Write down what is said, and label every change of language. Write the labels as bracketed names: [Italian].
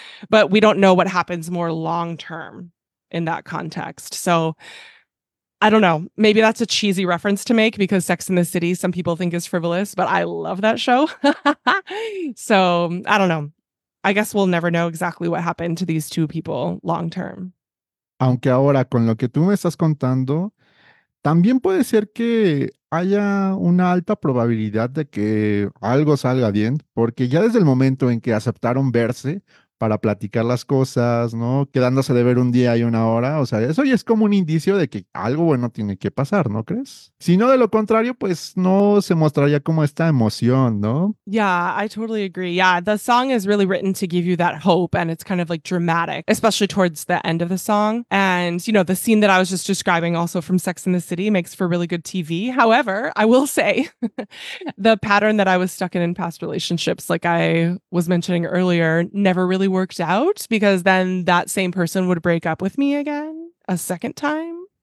[English] But we don't know what happens more long term in that context. So I don't know. Maybe that's a cheesy reference to make because Sex and the City, some people think is frivolous, but I love that show. So I don't know. I guess we'll never know exactly what happened to these two people long term. [Spanish] Aunque ahora con lo que tú me estás contando, también puede ser que haya una alta probabilidad de que algo salga bien, porque ya desde el momento en que aceptaron verse para platicar las cosas, ¿no? Quedándose de ver un día y una hora, o sea, eso ya es como un indicio de que algo bueno tiene que pasar, ¿no crees? Si no, de lo contrario, pues no se mostraría como esta emoción, ¿no? [English] Yeah, I totally agree. Yeah, the song is really written to give you that hope and it's kind of like dramatic, especially towards the end of the song. And, you know, the scene that I was just describing also from Sex and the City makes for really good TV. However, I will say the pattern that I was stuck in past relationships, like I was mentioning earlier, never really worked out because then that same person would break up with me again a second time.